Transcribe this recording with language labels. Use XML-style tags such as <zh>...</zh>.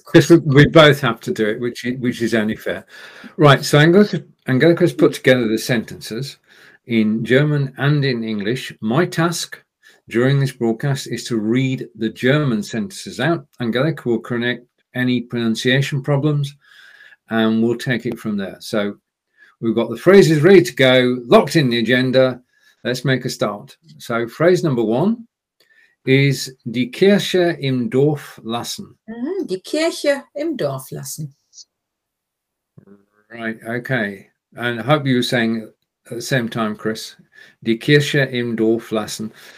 <en>because we both have to do it, which is only fair. Right, so Angelica has put together the sentences in German and in English. My task during this broadcast is to read the German sentences out. Angelica will correct any pronunciation problems, and we'll take it from there. So we've got the phrases ready to go, locked in the agenda. Let's make a start. So phrase number one is die Kirche im Dorf lassen.</en> <de>Die Kirche im Dorf lassen.</de> <en>Right, okay. And I hope you were saying at the same time, Chris.</en> <de>Die Kirche im Dorf lassen.</de>